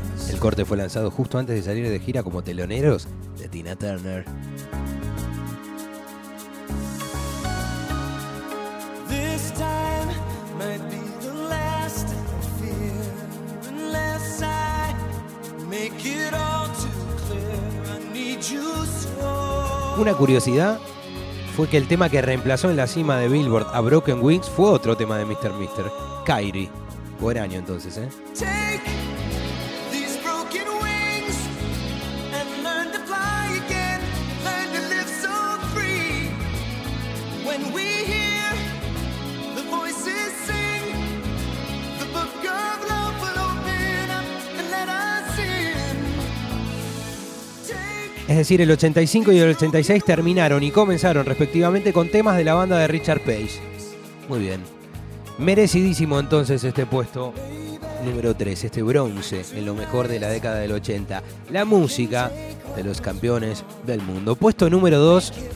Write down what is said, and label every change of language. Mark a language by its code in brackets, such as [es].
[es] El corte fue lanzado justo antes de salir de gira como teloneros de Tina Turner. [en] This time might be the last of fear unless I make it all too clear. I need you so. [es] Una curiosidad fue que el tema que reemplazó en la cima de Billboard a Broken Wings fue otro tema de Mr. Kyrie. Buen año entonces, ¿eh? [en] Take these broken wings and learn to fly again. Learn to live so free. When we hear the voices sing, the book of love will open up and let us in. [es] Es decir, el 85 y el 86 terminaron y comenzaron respectivamente con temas de la banda de Richard Page. Muy bien. Merecidísimo entonces este puesto número 3, este bronce en lo mejor de la década del 80. La música de los campeones del mundo. Puesto número 2.